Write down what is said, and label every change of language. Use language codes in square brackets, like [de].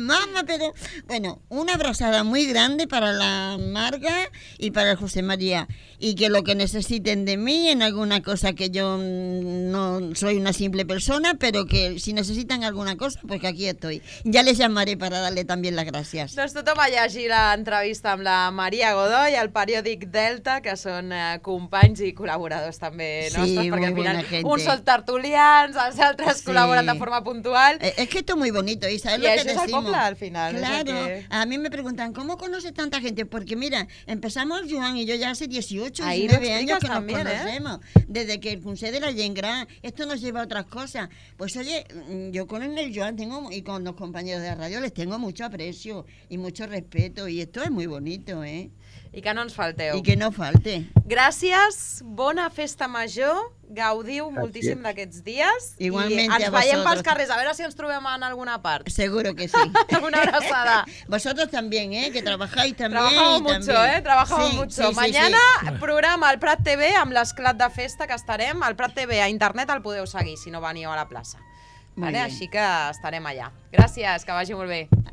[es] Mamá, pero bueno, una abrazada muy grande para la Marga y para José María. Y que lo que necesiten de mí en alguna cosa, que yo no soy una simple persona, pero que si necesitan alguna cosa, pues que aquí estoy. Ya les llamaré para darle también las gracias. [ca] Doncs tothom a llegir l'entrevista amb la Maria Godoy al periòdic Delta, que són companys i col·laboradors també nostres, sí, perquè [es] al final gente. [ca] Uns són tertulians, els altres sí col·laboren de forma puntual. [es] Es que esto es muy bonito, Isa, es lo que decimos. Y eso es el poble, al final. Claro, a mí me preguntan, ¿cómo conoces tanta gente? Porque mira, empezamos Joan y yo ya hace 18, 19 años que también nos conocemos. Desde que el Consell de la Gent Gran, esto nos lleva a otras cosas. Pues oye, yo con el Joan tengo, y con los compañeros de la radio les tengo mucho aprecio y mucho respeto, y esto es muy bonito, ¿eh? Y que no nos falteu. Y que no falte. [ca] Gracias, bona festa major. Gaudiu moltíssim d'aquests dies. Igualment a vosaltres. I ens veiem pels carrers, a veure si ens trobem en alguna part. [es] Seguro que sí. [ca] Una abraçada. [es] Vosotros también, que trabajáis también. Trabajamos mucho. [ca] Sí, [es] mañana programa [ca] al Prat TV amb l'esclat de festa que estarem. Al Prat TV, a internet el podeu seguir, si no veniu a la plaça. Vale? Així que estarem allà. Gràcies, que vagi molt bé.